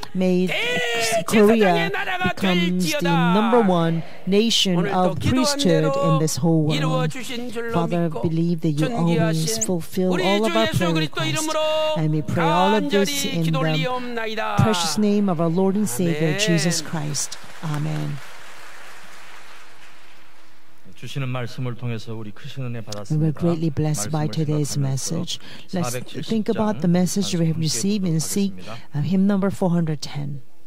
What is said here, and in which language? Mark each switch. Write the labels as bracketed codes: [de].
[en] May Korea become the number one nation of priesthood in this whole world. Father, I believe that you always fulfill all of our prayer requests. And we pray all of this in the precious name of our Lord and Savior, Jesus Christ. Amen. [ko] 주시는 말씀을 통해서 우리 크신 은혜 받았습니다. [en] We're greatly blessed by today's message. Let's think about the message we have received and seek hymn number 410.